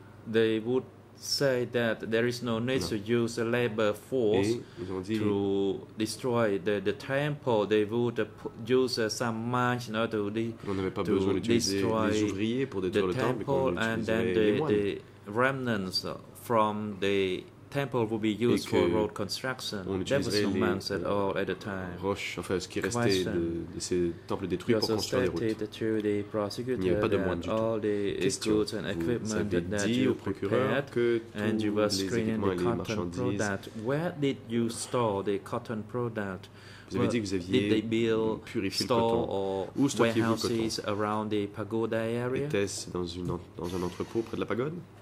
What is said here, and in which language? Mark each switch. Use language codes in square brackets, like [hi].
[en] They would say that there is no need to use a labor force to destroy the temple. They would use some monks in order to destroy the temple. [fr] On n'avait pas besoin d'utiliser pour détruire le temple, mais qu'on utiliserait [en] the remnants from the temple will be used for road construction. There was no monks at all at the time. [fr] Roche, enfin, ce qui restait de ces temples détruits pour construire les routes. Il n'y avait pas de moines du tout. [en] All the goods and equipment that you prepared, and you were screening the cotton product. Where did you store the cotton product? [fr] Vous avez dit que vous aviez purifié le coton. Où stockiez-vous le coton? [en] Around the pagoda area. [fr] Était-ce dans un entrepôt près de la pagode?